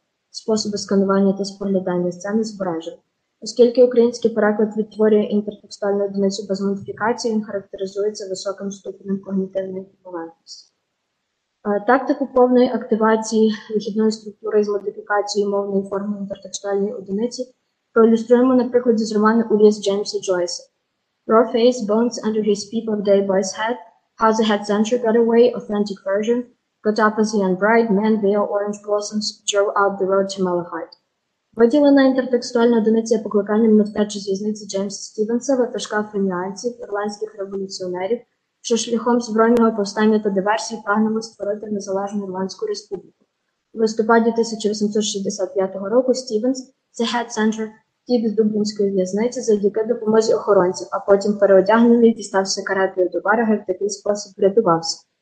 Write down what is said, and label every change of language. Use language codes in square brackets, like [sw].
[uk] Способи сканування та споглядання сцени збережені. Оскільки український переклад відтворює інтертекстуальну одиницю без модифікації, він характеризується високим ступенем когнітивної еквівалентності. Тактику повної активації вихідної структури з модифікацією мовної форми інтертекстуальної одиниці проілюструємо на прикладі з роману Уліс Джеймса Джойса. [en] «Raw face, bones under his peep of day boy's head, how the head center got away, authentic version, got up as a young bride, man, veil, orange blossoms, drove out the road to Malahide». [uk] Виділена інтертекстуальна одиниця покликанням на втечі з в'язниці Джеймса Стівенса, ватажка фініанців, ірландських революціонерів, що шляхом збройного повстання та диверсії прагнули створити незалежну Ірландську республіку. У листопаді 1865 року Стівенс, [en] the head center, [uk] тіп з дублінської в'язниці завдяки допомозі охоронців, а потім переодягнений дістався каретою до берега і в такий спосіб врятувався.